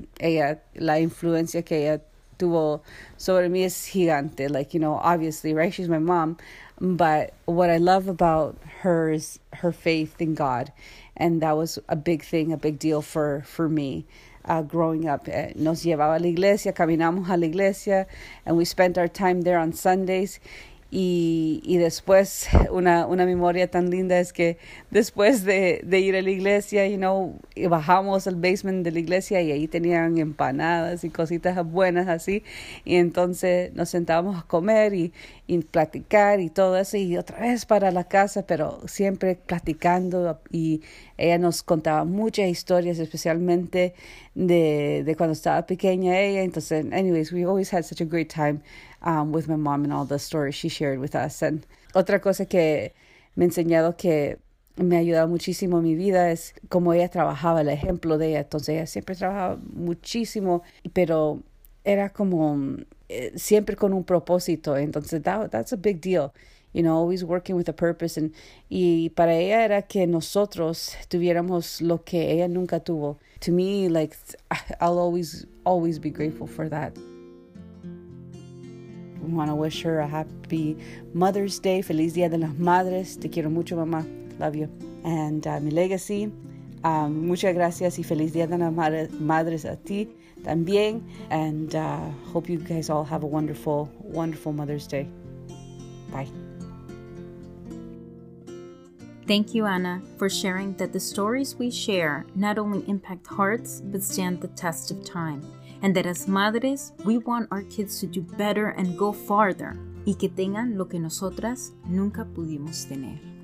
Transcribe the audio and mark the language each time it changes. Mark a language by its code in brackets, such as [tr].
[es] Ella, la influencia que ella tuvo sobre mí es gigante. [en] Like, you know, obviously, right? She's my mom. But what I love about her is her faith in God. And that was a big thing, a big deal for me growing up. [es] Nos llevaba a la iglesia, caminamos a la iglesia, [en] and we spent our time there on Sundays. [es] Y después, una memoria tan linda es que después de ir a la iglesia, [en] you know, [es] bajamos al basement de la iglesia y ahí tenían empanadas y cositas buenas así. Y entonces nos sentábamos a comer y platicar y todo eso. Y otra vez para la casa, pero siempre platicando. Y ella nos contaba muchas historias, especialmente de cuando estaba pequeña ella. [en] Entonces, anyways, we always had such a great time with my mom and all the stories she shared with us. [es] And otra cosa que me ha enseñado, que me ha ayudado muchísimo en mi vida, es como ella trabajaba, el ejemplo de ella. Entonces ella siempre trabajaba muchísimo, pero era como siempre con un propósito. [en] Entonces that's a big deal, you know, always working with a purpose. [es] Y para ella era que nosotros tuviéramos lo que ella nunca tuvo. [en] To me, like, I'll always be grateful for that. I want to wish her a happy Mother's Day. [es] Feliz Día de las Madres. Te quiero mucho, mamá. [en] Love you. [es] And mi legacy, muchas gracias y feliz Día de las Madres a ti también. [en] And hope you guys all have a wonderful, wonderful Mother's Day. Bye. Thank you, Anna, for sharing that the stories we share not only impact hearts, but stand the test of time. And that as madres, we want our kids to do better and go farther. [es] Y que tengan lo que nosotras nunca pudimos tener.